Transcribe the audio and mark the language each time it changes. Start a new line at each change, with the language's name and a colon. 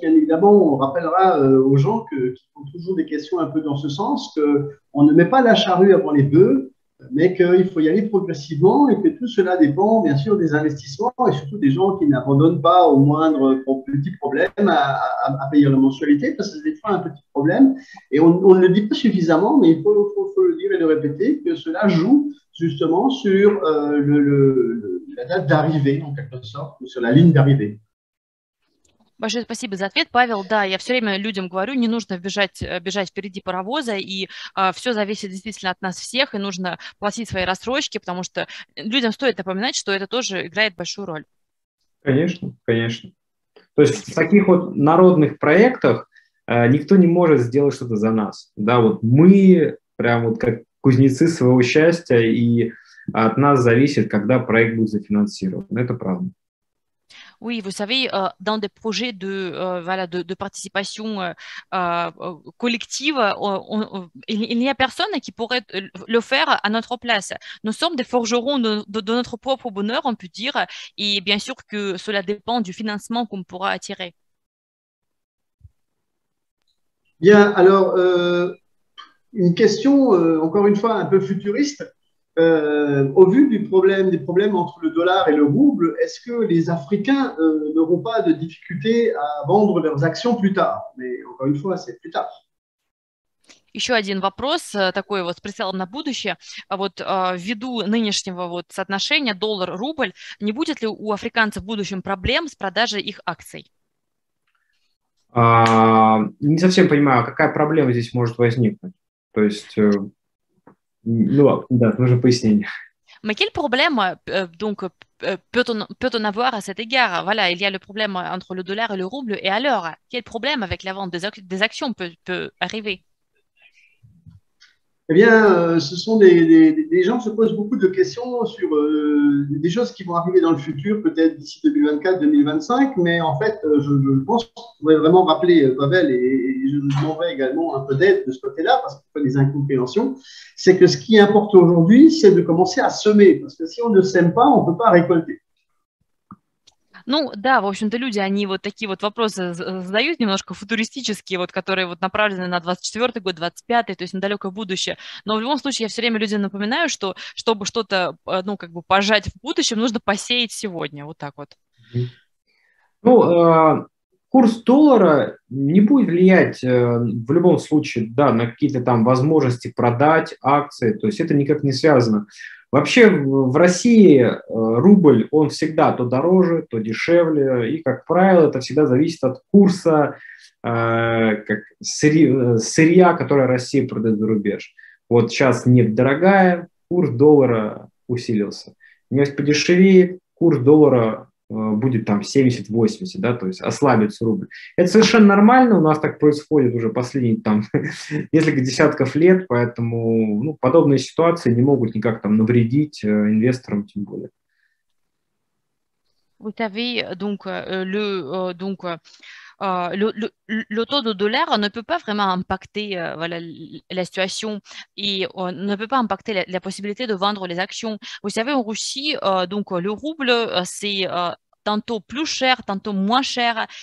French: Bien évidemment, on rappellera aux gens qu'ils ont toujours des questions un peu dans ce sens, qu'on ne met pas la charrue avant les bœufs, mais qu'il faut y aller progressivement et que tout cela dépend bien sûr des investissements et surtout des gens qui n'abandonnent pas au moindre petit problème à payer la mensualité, parce que c'est des fois un petit problème et on ne le dit pas suffisamment, mais il faut le dire et le répéter que cela joue justement sur la date d'arrivée en quelque sorte, ou sur la ligne d'arrivée.
Russian: Большое спасибо за ответ, Павел. Да, я все время людям говорю, не нужно бежать впереди паровоза, и все зависит действительно от нас всех, и нужно платить свои рассрочки, потому что людям стоит напоминать, что это тоже играет большую роль. Конечно, конечно. То есть в таких вот народных проектах никто не может сделать что-то за нас. Да, вот мы прям вот как кузнецы своего счастья, и от нас зависит, когда проект будет зафинансирован. Это правда.
French: Oui, vous savez, dans des projets de participation collective, il n'y a personne qui pourrait le faire à notre place. Nous sommes des forgerons de notre propre bonheur, on peut dire, et bien sûr que cela dépend du financement qu'on pourra attirer. Bien, alors, une question, encore une fois, un peu futuriste. Au vu des problèmes entre le dollar et le rouble, est-ce que les Africains n'auront pas de difficultés à vendre leurs actions plus tard? Mais encore une fois, c'est plus tard.
Russian: Еще один вопрос такой вот с прицелом на будущее. Вот ввиду нынешнего вот соотношения доллар-рубль, не будет ли у африканцев в будущем проблем с продажей их акций? Не совсем понимаю, какая проблема здесь может возникнуть. То есть нужно пояснение.
French: Mais quelle problème donc peut-on avoir à cet égard? Voilà, il y a le problème entre le dollar et le rouble, et alors, quel problème avec la vente des actions peut arriver? Eh bien, ce sont des gens se posent beaucoup de questions sur des choses qui vont arriver dans le futur, peut-être d'ici 2024-2025, mais en fait, je pense qu'on pourrait vraiment rappeler Pavel et je nous demanderai également un peu d'aide de ce côté-là, parce qu'il y a des incompréhensions, c'est que ce qui importe aujourd'hui, c'est de commencer à semer, parce que si on ne sème pas, on ne peut pas récolter.
Russian: Ну да, в общем-то, люди, они вот такие вот вопросы задают, немножко футуристические, вот которые вот направлены на 24-й год, 25-й, то есть на далекое будущее. Но в любом случае, я все время людям напоминаю, что чтобы что-то, ну, как бы пожать в будущем, нужно посеять сегодня, вот так вот. Курс доллара не будет влиять в любом случае, да, на какие-то там возможности продать акции, то есть это никак не связано. Вообще в России рубль, он всегда то дороже, то дешевле, и, как правило, это всегда зависит от курса сырья, которое Россия продает за рубеж. Вот сейчас нефть дорогая, курс доллара усилился. Нефть подешевеет, курс доллара будет там 70-80, да, то есть ослабится рубль. Это совершенно нормально, у нас так происходит уже последние там несколько десятков лет, поэтому ну, подобные ситуации не могут никак там навредить инвесторам тем более.
French: Vous savez, donc, le taux de dollar ne peut pas vraiment impacter, voilà, la situation et ne peut pas impacter la possibilité de vendre les actions. Vous savez, en Russie, donc, le rouble, c'est tantôt plus cher, tantôt moins cher.